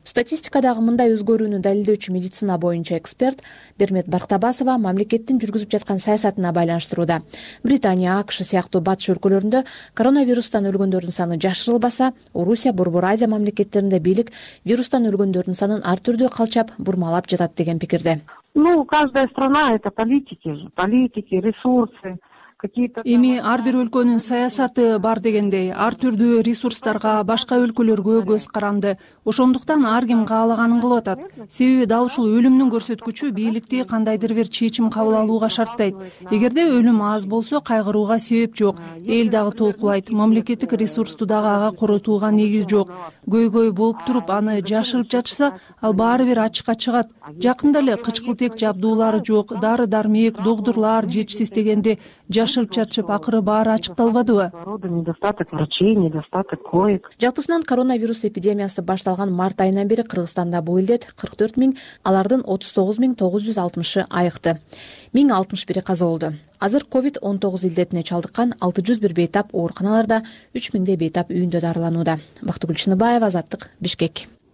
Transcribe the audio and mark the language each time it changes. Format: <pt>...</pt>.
<ky>Статистикадагы мындай өзгөрүүнү далилдөөчү медицина боюнча эксперт Бермет Бактабасова мамлекеттин жүргүзүп жаткан саясатына байланыштырууда. Британия, АКШ сыяктуу батыш өлкөлөрүндө коронавирустан өлгөндөрдүн саны жашырылбаса, Орусия, Борбор Азия мамлекеттеринде бийлик вирустан өлгөндөрдүн санын ар түрдүү калчап, бурмалап жатат деген пикирде.</ky> <ru>Ну, каждая страна это политики же, политики, ресурсы.</ru> <ky>Эми ар бир өлкөнүн саясаты бар дегендей, ар түрдүү ресурстарга башка өлкөлөргө көз каранды. Ошондуктан ар ким каалаганын кылып атат. Себеби дал ушул өлүмдүн көрсөткүчү бийликти кандайдыр бир чечим кабыл алууга шарттайт. Эгерде өлүм аз болсо кайгырууга себеп жок. Эл дагы толкубайт. Мамлекеттик ресурсту дагы ага коротууга негиз жок. Көйгөй болуп туруп аны жашырып жатышса, ал баары бир ачыкка чыгат. Жакында эле кычкылтек жабдуулары жок, дары дармек, доктурлар жетишсиз дегенде жашырып жатышып акыры баары ачыкталбадыбы?</ky> <ru>Недостаток врачей, недостаток коек.</ru> <ky>Жалпысынан коронавирус эпидемиясы башталган март айынан бери Кыргызстанда бул илдет 44000, алардын 39960 айыкты. 1061 каза болду. Азыр COVID-19 илдетине чалдыккан 601 бейтап ооруканаларда, 3000 бейтап үйүндө дарыланууда. Бактыгүл Чыныбаева, Азаттык, Бишкек.</ky>